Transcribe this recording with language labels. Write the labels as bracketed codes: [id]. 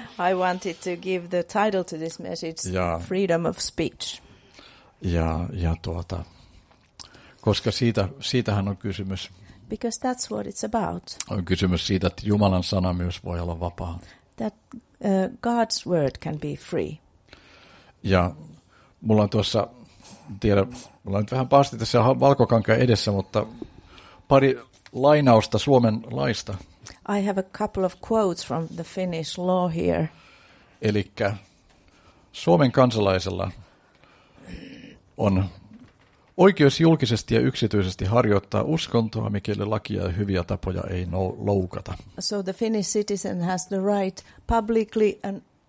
[en] I wanted to give the title to this message, ja, Freedom of Speech. [fi] Ja tuota, koska siitähän on kysymys. [en] Because that's what it's about. [fi] On kysymys siitä, että Jumalan sana myös voi olla vapaa. [en] That God's word can be free. [fi] Ja mulla on tuossa, tiedä, mulla on nyt vähän paasti tässä valkokankaan edessä, mutta pari lainausta Suomen laista. [en] I have a couple of quotes from the Finnish law here. [fi] Elikkä Suomen kansalaisella on oikeus julkisesti ja yksityisesti harjoittaa uskontoa, mikäli lakia ja hyviä tapoja ei loukata. [en] So the Finnish citizen has the right publicly and...